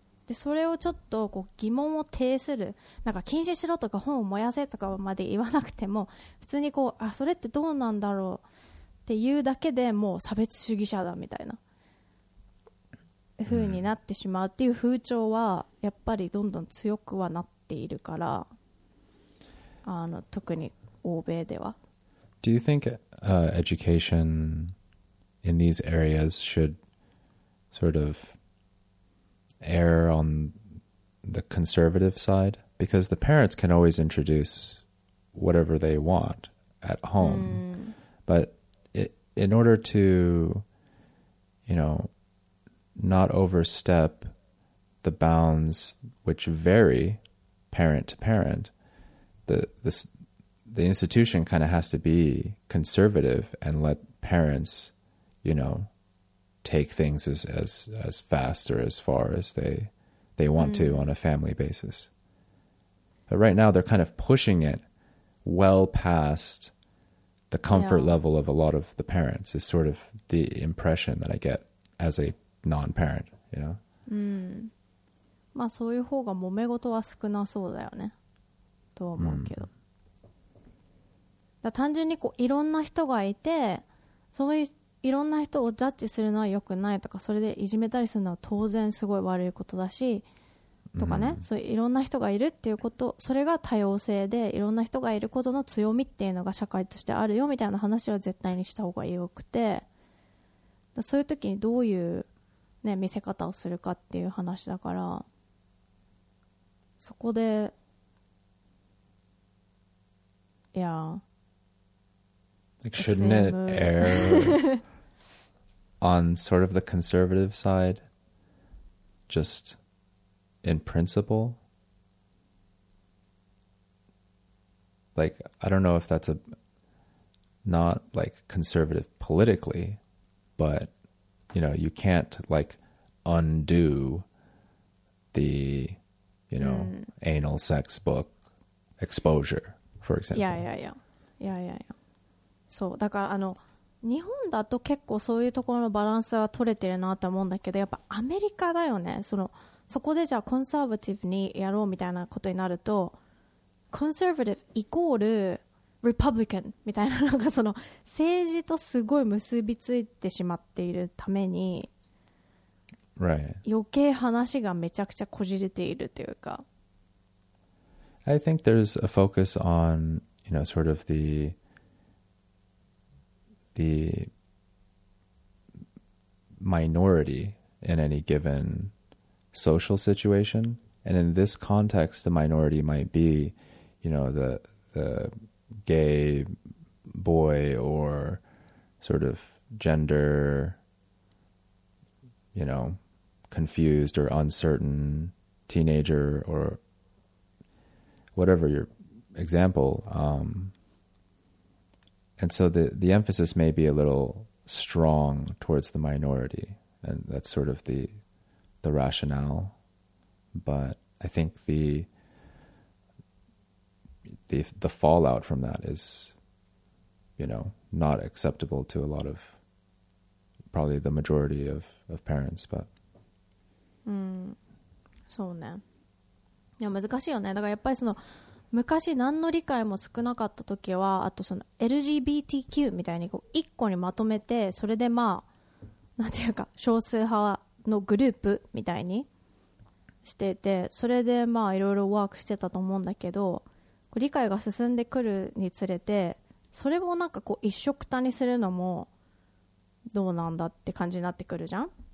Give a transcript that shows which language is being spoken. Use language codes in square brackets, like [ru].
[ja] でそれをちょっとこう疑問を呈する、なんか禁止しろとか本を燃やせとかまで言わなくても、普通にこう、あそれってどうなんだろうっていうだけでもう差別主義者だみたいな風になってしまうっていう風潮はやっぱりどんどん強くはなっているから、あの特に欧米では。 [en] Do you think education in these areas should sort of err on the conservative side? Because the parents can always introduce whatever they want at home. Mm. But in order to, you know, not overstep the bounds which vary parent to parent, the institution kind of has to be conservative and let parents, you know, take things as fast or as far as they want to on a family basis. But right now they're kind of pushing it well past the comfort level of a lot of the parents is sort of the impression that I get as a non-parent, you know? [ja] まあそういう方が揉め事は少なそうだよねと思うけど。だ単純にこういろんな人がいて、そういういろんな人をジャッジするのは良くないとか、それでいじめたりするのは当然すごい悪いことだしとかね、そういういろんな人がいるっていうこと、それが多様性でいろんな人がいることの強みっていうのが社会としてあるよみたいな話は絶対にした方が良くて、だそういう時にどういう、ね、見せ方をするかっていう話だから、そこでいやー、 [en] like, shouldn't it err on sort of the conservative side? just in principle. Like, I don't know if that's a not like conservative politically, but you know, you can't like undo the, you know, anal sex book exposure, for example. Yeah. [ja] そう、だからあの日本だと結構そういうところのバランスは取れてるなと思うんだけど、やっぱアメリカだよね。そのそこでじゃあコンサーバティブにやろうみたいなことになると、コンサーバティブイコールリパブリカンみたいな、なんかその政治とすごい結びついてしまっているために、 [en] right. [ja] 余計話がめちゃくちゃこじれているというか。 [en] I think there's a focus on, you know, sort of the minority in any given social situation, and in this context the minority might be, you know, the gay boy or sort of gender, you know, confused or uncertain teenager or whatever your example. And so the emphasis may be a little strong towards the minority, and that's sort of the rationale. But I think the fallout from that is, you know, not acceptable to a lot of, probably the majority of parents, but. [ja] そうね。いや、難しいよね。だからやっぱりその昔何の理解も少なかった時は、あとその LGBTQ みたいにこう一個にまとめて、それでまあなんていうか少数派のグループみたいにしてて、それでまあいろいろワークしてたと思うんだけど、こう理解が進んでくるにつれて、それもなんかこう一緒くたにするのもどうなんだって感じになってくるじゃん。